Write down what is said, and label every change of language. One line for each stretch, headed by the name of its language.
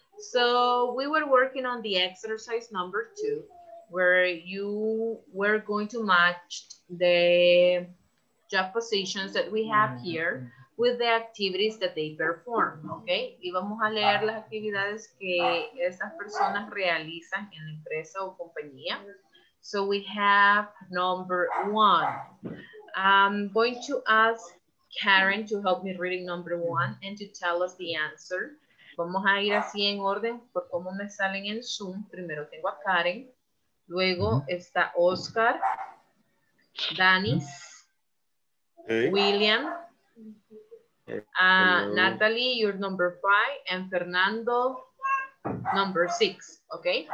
English: So, we were working on the exercise number 2, where you were going to match the job positions that we have here with the activities that they perform, okay?
Spanish: Y vamos a leer las actividades que esas personas realizan en la empresa o compañía.
English: So, we have number 1. I'm going to ask Karen to help me reading number 1 and to tell us the answer.
Spanish: Vamos a ir así en orden por cómo me salen en Zoom. Primero tengo a Karen, luego está Oscar, Danis, William, Natalie,
English: you're number 5,
Spanish: and Fernando, number 6, ¿ok?